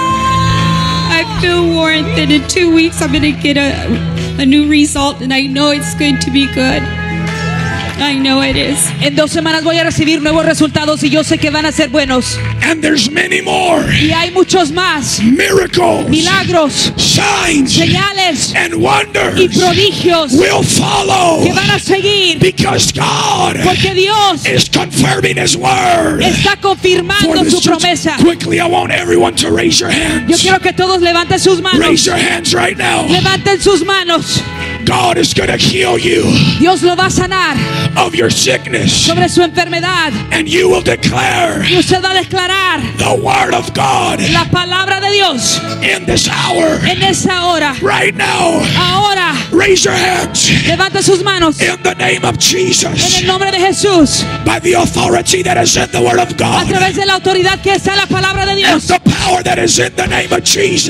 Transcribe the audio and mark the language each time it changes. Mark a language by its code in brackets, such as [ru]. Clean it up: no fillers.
[en] I feel warmth, and in 2 weeks I'm going to get a new result, and I know it's going to be good. I know it is. [es] En dos semanas voy a recibir nuevos resultados, y yo sé que van a ser buenos. [en] And there's many more. [es] Y hay muchos más. [en] Miracles. [es] Milagros. [en] Signs. [es] Señales. [en] And wonders. [es] Y prodigios. [en] Will follow. [es] Que van a seguir. [en] Because God. [es] Porque Dios. [en] Is confirming His word. [es] Está confirmando su promesa. [en] Quickly, I want everyone to raise your hands. [es] Yo quiero que todos levanten sus manos. [en] Raise your hands right now. [es] Levanten sus manos. [en] God is going to heal you. [es] Dios lo va a sanar. [en] Of your sickness. [es] Sobre su enfermedad. [en] And you will declare. [es] Y usted va a declarar. [en] The word of God. [es] La palabra de Dios. [en] In this hour. [es] En esa hora. [en] Right now. [es] Ahora. [en] Raise your hands. [es] Levanta sus manos. [en] In the name of Jesus. [es] En el nombre de Jesús. [en] By the authority that is in the word of God. [es] A través de la autoridad que está en la palabra de Dios. [en] And the power that is in the name of Jesus.